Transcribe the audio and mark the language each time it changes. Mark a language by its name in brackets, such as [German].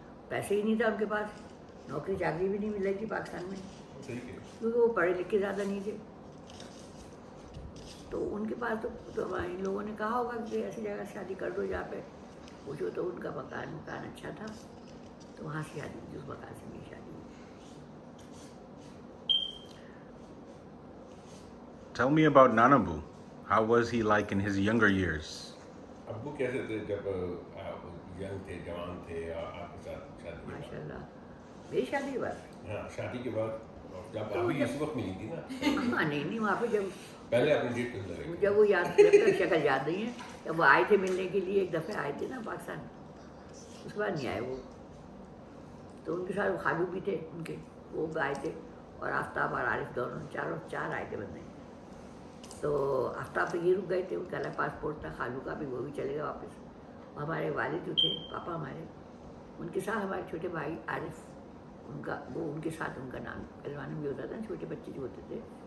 [Hindi] पैसे ही नहीं था उनके पास नौकरी चाकरी भी नहीं मिल रही थी पाकिस्तान में क्योंकि वो पढ़े लिखे ज़्यादा नहीं थे तो उनके पास तो इन लोगों ने कहा होगा कि ऐसी जगह शादी कर दो जहाँ पे पूछो तो उनका मकान मकान अच्छा था तो वहाँ से शादी उस मकान से मेरी शादी हुई [English] Tell me about Nanabu. How was he like in his younger years? [Hindi] Abu कैसे थे जब यंग थे जवान थे आपके साथ शादी माशाल्लाह मेरी शादी के बाद हाँ शादी के बाद जब अभी इस वक्त मिली थी ना हाँ नहीं नहीं वहाँ पे जब पहले अपनी डेट कर रहे जब वो याद करके शक्ल याद नहीं है जब वो आए थे मिलने के लिए एक दफ़े आए थे ना पाकिस्तान उसके बाद नहीं आए वो तो उनके साथ वो खालू भी थे उनके वो आए थे और आफ्ताब और आरिफ दोनों चारों चार आए थे बंदे तो आफ्ताब तो ये रुक गए थे उनका अलग पासपोर्ट था खालू का भी वो भी चले गए वापस हमारे वालिद जो थे पापा हमारे उनके साथ हमारे छोटे भाई आरिफ उनका वो उनके साथ उनका नाम पहलवान भी होता था छोटे बच्चे जो होते थे